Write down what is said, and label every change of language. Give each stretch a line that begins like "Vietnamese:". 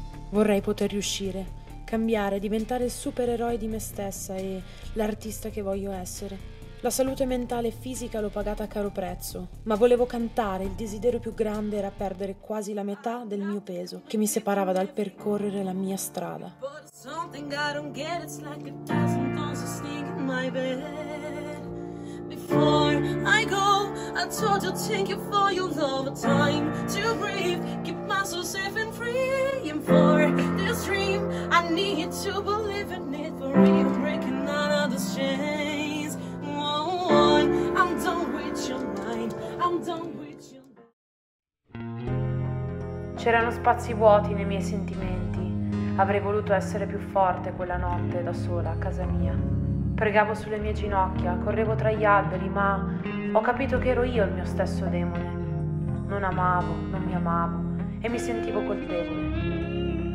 Italian: Vorrei poter riuscire, cambiare, diventare il supereroe di me stessa e l'artista che voglio essere. La salute mentale e fisica l'ho pagata a caro prezzo, ma volevo cantare, il desiderio più grande era perdere quasi la metà del mio peso che mi separava dal percorrere la mia strada.
English: Something I don't get, it's like a thousand thorns that sneak in my bed. Before I go, I told you thank you for your love. Time to breathe, keep myself safe and free. And for this dream, I need to believe in it. For me, I'm breaking out of the chains. Oh, I'm done with your mind, I'm done with your mind.
Italian: C'erano spazi vuoti nei miei sentimenti. Avrei voluto essere più forte quella notte da sola a casa mia. Pregavo sulle mie ginocchia, correvo tra gli alberi, ma ho capito che ero io il mio stesso demone. Non amavo, non mi amavo e mi sentivo colpevole.